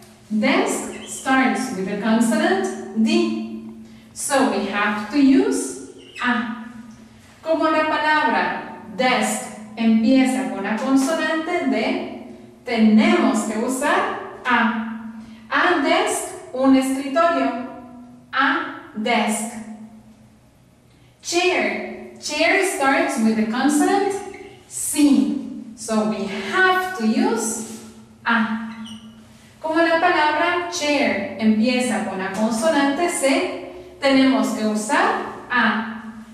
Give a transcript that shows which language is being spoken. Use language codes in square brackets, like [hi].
[en] Desk starts with a consonant D. So we have to use a. [es] Como la palabra desk empieza con la consonante D, tenemos que usar a. [en] A desk. [es] Un escritorio. [en] A desk. Chair. Chair starts with a consonant C. So we have to use a. [es] Como la palabra chair empieza con la consonante C, tenemos que usar a.